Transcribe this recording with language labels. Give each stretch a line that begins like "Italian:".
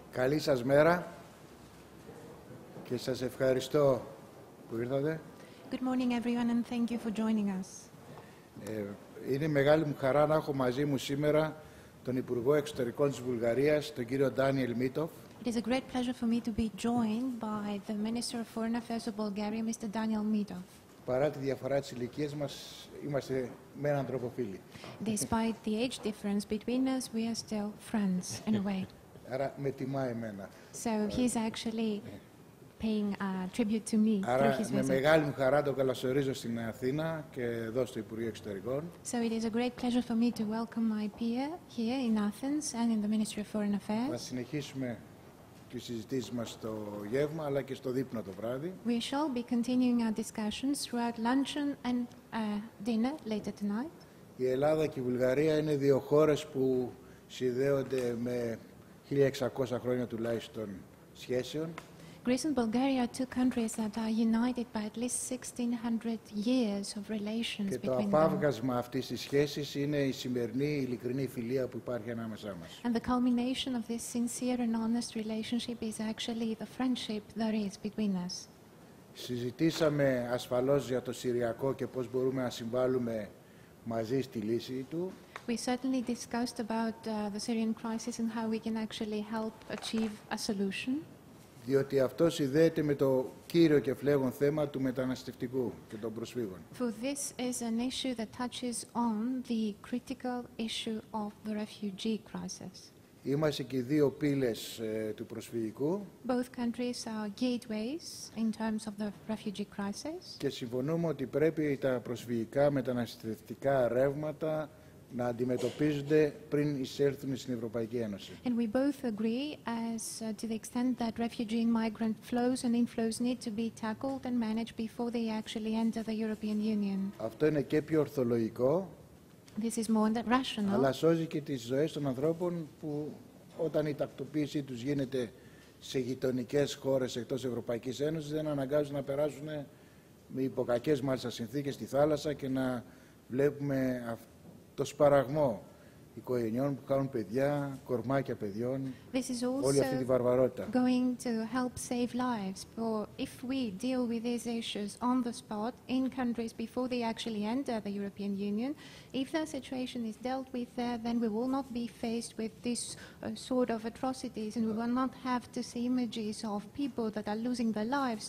Greek: Καλή σας μέρα και σας ευχαριστώ που ήρθατε.
English: Good morning everyone and thank you for joining us.
Greek: Είναι μεγάλη μου χαρά να έχω μαζί μου σήμερα τον Υπουργό Εξωτερικών της Βουλγαρίας, τον κύριο Ντάνιελ Μίτοφ.
English: It is a great pleasure for me to be joined by the Minister of Foreign Affairs of Bulgaria, Mr. Daniel Mitov.
Greek: Παρά τη διαφορά της ηλικίας μας, είμαστε με έναν τρόπο φίλοι.
English: Despite the age difference between us, we are still friends in a way.
Greek: Άρα με τιμά εμένα.
English: So he's actually paying a tribute to me.
Greek: Άρα
English: through his
Greek: με μεγάλη μου χαρά το καλωσορίζω στην Αθήνα και εδώ στο Υπουργείο Εξωτερικών.
English: So it is a great pleasure for me to welcome my peer here in Athens and in the Ministry of Foreign Affairs.
Greek: Θα συνεχίσουμε τις συζητήσεις μας στο γεύμα αλλά και στο δείπνο το βράδυ.
English: We shall be continuing our discussions throughout luncheon and dinner later tonight.
Greek: Η Ελλάδα και η Βουλγαρία είναι δύο χώρες που συνδέονται με 1600 χρόνια τουλάχιστον σχέσεων.
English: Greece and Bulgaria are two countries that are united by at least 1600 years of relations between them.
Greek: Και το αφάβγασμα αυτής της σχέσης είναι η σημερινή ειλικρινή φιλία που υπάρχει ανάμεσά μας.
English: And the culmination of this sincere and honest relationship is actually the friendship that is between us.
Greek: Συζητήσαμε ασφαλώς για το Συριακό και πώς μπορούμε να συμβάλλουμε μαζί στη λύση του.
English: We certainly discussed about the Syrian crisis and how we can actually help achieve a solution.
Greek: Διότι αυτό συνδέεται με το κύριο και φλέγον θέμα του μεταναστευτικού και των προσφύγων.
English: For this is an issue that touches on the critical issue of the refugee crisis.
Greek: Είμαστε και δύο πύλες του προσφυγικού.
English: Both countries are gateways in terms of the refugee crisis.
Greek: Και συμφωνούμε ότι πρέπει τα προσφυγικά μεταναστευτικά ρεύματα να αντιμετωπίζονται πριν εισέλθουν στην Ευρωπαϊκή Ένωση.
English: And we both agree as to the extent that refugee and migrant flows and inflows need to be tackled and managed before they actually enter the European Union.
Greek: Αυτό είναι και πιο ορθολογικό.
English: This is more than rational.
Greek: Αλλά σώζει και τις ζωές των ανθρώπων που όταν η τακτοποίησή τους γίνεται σε γειτονικές χώρες εκτός Ευρωπαϊκής Ένωσης δεν αναγκάζουν να περάσουν με υποκακές μάλιστα συνθήκες στη θάλασσα και να βλέπουμε το σπαραγμό οικογενειών που κάνουν παιδιά, κορμάκια παιδιών, όλη αυτή τη βαρβαρότητα.
English: Going to help save lives. But if we deal with these issues on the spot in countries before they actually enter the European Union, if the situation is dealt with there, then we will not be faced with this sort of atrocities and we will not have to see images of people that are losing their lives.